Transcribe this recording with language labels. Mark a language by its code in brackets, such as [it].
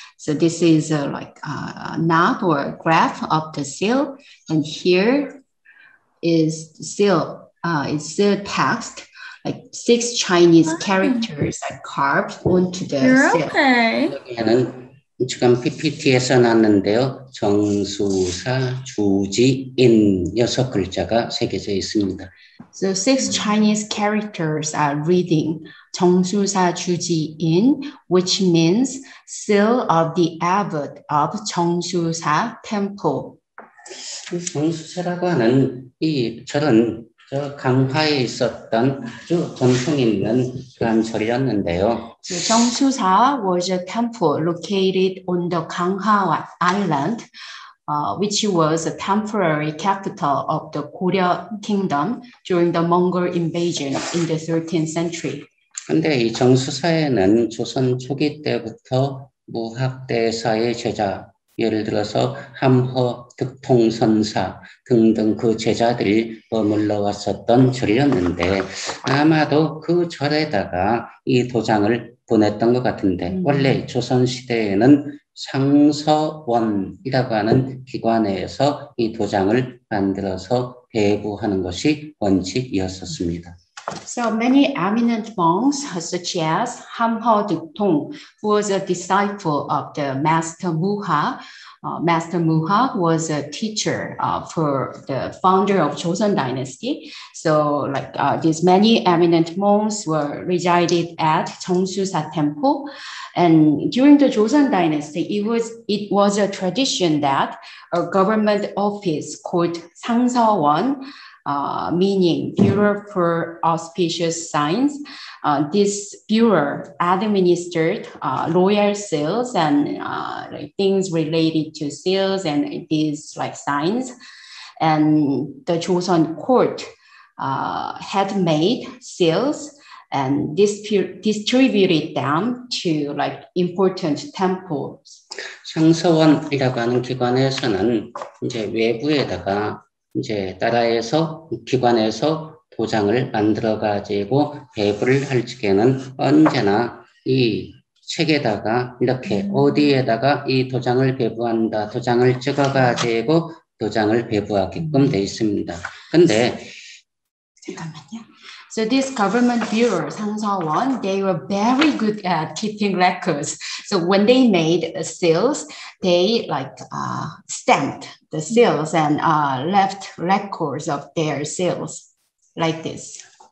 [en] So this is like a knot or a graph of the seal. And here is the seal, it's the text, like six Chinese characters are carved onto the You're seal. Okay. [ko] 지금 PPT에서 났는데요. 정수사 주지인 여섯 글자가 새겨져 있습니다. [en] So six Chinese characters are reading 정수사 주지인, which means seal of the abbot of 정수사 temple. [ko] 정수사라고 하는 이 절은 저 강화에 있었던 아주 전통 있는 그런 절이었는데요. [en] 정수사 was a temple located on the 강화 island, which was a temporary capital of the 고려 kingdom during the Mongol invasion in the 13th century. [ko] 그런데 이 정수사에는 조선 초기 때부터 무학대사의 제자, 예를 들어서 함허 득통선사 등등 그 제자들이 머물러 왔었던 절이었는데 아마도 그 절에다가 이 도장을 보냈던 것 같은데 원래 조선시대에는 상서원이라고 하는 기관에서 이 도장을 만들어서 배부하는 것이 원칙이었었습니다. [en] So many eminent monks, such as Hamho Duktong, who was a disciple of the Master Muha. Master Muha was a teacher for the founder of Joseon Dynasty. So like these many eminent monks were resided at Jeongsusa Temple. And during the Joseon Dynasty, it was a tradition that a government office called Sangseowon, meaning Bureau for Auspicious Signs. This bureau administered royal seals and like things related to seals and these like signs. And the Joseon court had made seals and distributed them to like important temples. [ko] 상서원이라고 하는 기관에서는 이제 외부에다가 이제 따라해서 기관에서 도장을 만들어 가지고 배부를 할 적에는 언제나 이 책에다가 이렇게 어디에다가 이 도장을 배부한다 도장을 찍어 가지고 도장을 배부하게끔 돼 있습니다. 근데 잠깐만요. [en] So this government bureau, 상서원, they were very good at keeping records. So when they made seals, they like stamped the seals and left records of their seals like this.